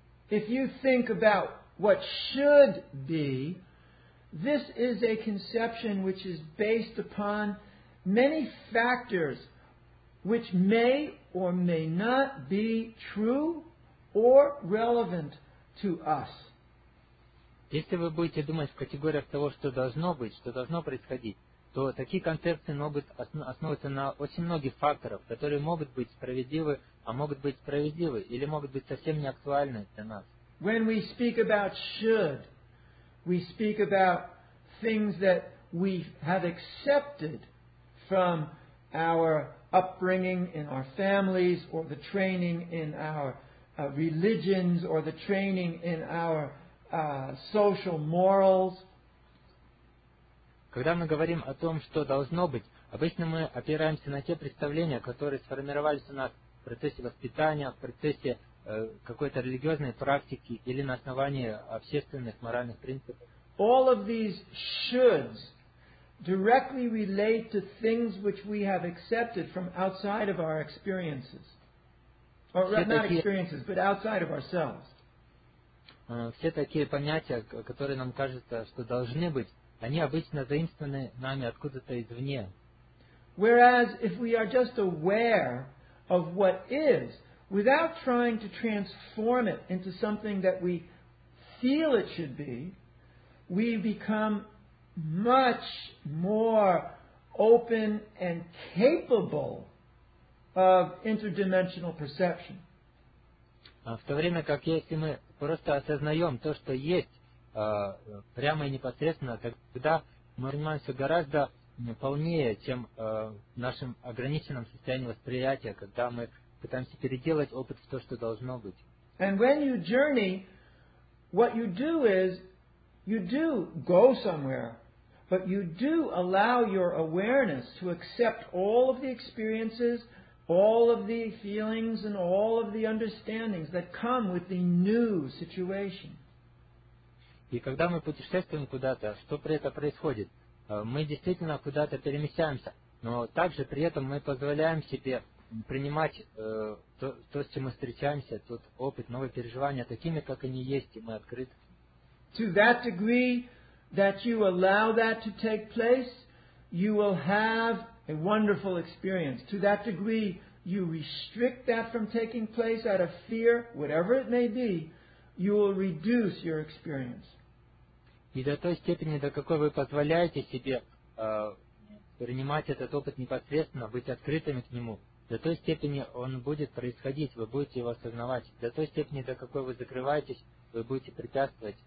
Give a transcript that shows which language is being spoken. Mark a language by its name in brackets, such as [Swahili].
[English] If you think about what should be, this is a conception which is based upon many factors which may or may not be true or relevant to us. [Russian] Если вы будете думать в категориях того, что должно быть, что должно происходить, то такие концепции могут основываться на очень многих факторах, которые могут быть справедливы, а могут быть справедливы или могут быть совсем не актуальны для нас. [English] When we speak about should, we speak about things that we have accepted from our upbringing in our families, or the training in our religions, or the training in our social morals. [Russian] Когда мы говорим о том, что должно быть, обычно мы опираемся на те представления, которые сформировались у нас в процессе воспитания, в процессе какой-то религиозной практики или на основании общественных моральных принципов. [English] All of these shoulds directly relate to things which we have accepted from outside of our experiences. Or not experiences, but outside of ourselves. [Russian] Все такие понятия, которые нам кажется, что должны быть, они обычно заимствованы нами откуда-то извне. [English] Whereas if we are just aware of what is, without trying to transform it into something that we feel it should be, we become much more open and capable of interdimensional perception. [Russian] В то время как если мы просто осознаем то, что есть прямо и непосредственно, тогда мы занимаемся гораздо полнее, чем в нашем ограниченном состоянии восприятия, когда мы пытаемся переделать опыт в то, что должно быть. [English] And when you journey, what you do is, you do go somewhere, but you do allow your awareness to accept all of the experiences, all of the feelings, and all of the understandings that come with the new situation. [Russian] И когда мы путешествуем куда-то, что при этом происходит? Мы действительно куда-то перемещаемся, но также при этом мы позволяем себе принимать то, с чем мы встречаемся, тот опыт, новые переживания такими, как они есть, и мы открыты. [English] To that degree that you allow that to take place, you will have a wonderful experience. To that degree you restrict that from taking place out of fear, whatever it may be, you will reduce your experience. [Russian] И до той степени, до какой вы позволяете себе принимать этот опыт непосредственно, быть открытыми к нему, до той степени он будет происходить, вы будете его осознавать. До той степени, до какой вы закрываетесь, вы будете препятствовать